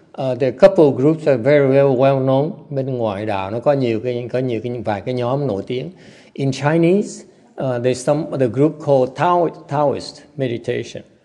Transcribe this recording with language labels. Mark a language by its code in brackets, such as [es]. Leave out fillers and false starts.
[en] There are a couple of groups that are very, very well known. [vi] Bên ngoại đạo nó có nhiều cái nhóm nổi tiếng. [en] In Chinese, there's the group called Taoist meditation.